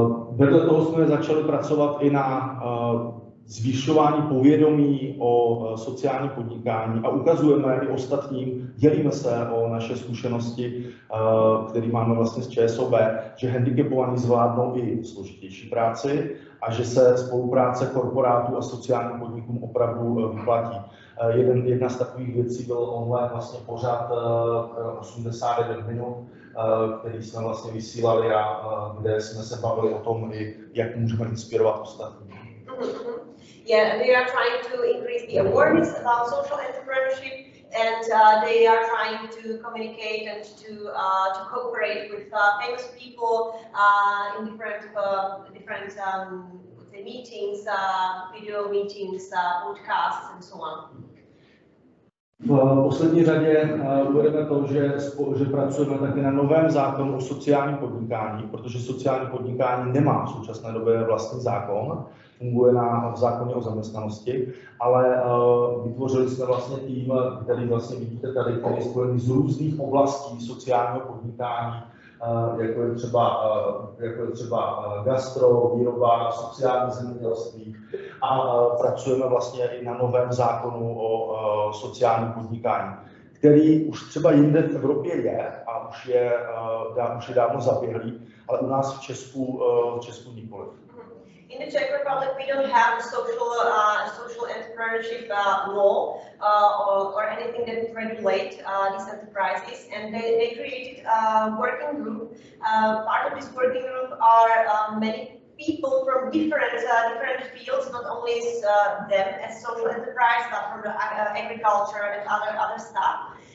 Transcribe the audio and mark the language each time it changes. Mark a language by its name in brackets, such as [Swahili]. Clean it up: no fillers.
[Czech] Vedle toho jsme začali pracovat i na zvyšování povědomí o sociální podnikání a ukazujeme i ostatním, dělíme se o naše zkušenosti, které máme vlastně z ČSOB, že handicapovaní zvládnou i složitější práci a že se spolupráce korporátů a sociálních podniků opravdu vyplatí. Jedna z takových věcí byl online vlastně pořád 89 minut, který jsme vlastně vysílali a kde jsme se bavili o tom, jak můžeme inspirovat ostatní. [English] Yeah, they are trying to increase the awareness about social entrepreneurship, and they are trying to communicate and to cooperate with famous people in different meetings, video meetings, podcasts, and so on. [Czech] V poslední řadě uvedeme to, že pracujeme také na novém zákonu o sociálním podnikání, protože sociální podnikání nemá v současné době vlastní zákon, funguje v zákoně o zaměstnanosti, ale vytvořili jsme vlastně tým, který vlastně vidíte tady, který je spojený z různých oblastí sociálního podnikání, jako je třeba gastro, výroba, sociální zemědělství. A pracujeme vlastně i na novém zákonu o sociálním podnikání, který už třeba jinde v Evropě je a už je dávno zaběhlý, ale u nás v Česku nikoliv. [English] In the Czech Republic, we don't have a social entrepreneurship law or anything that would regulate these enterprises. And they created a working group. Part of this working group are many people from different fields, not only them as social enterprise, but from the agriculture and other stuff.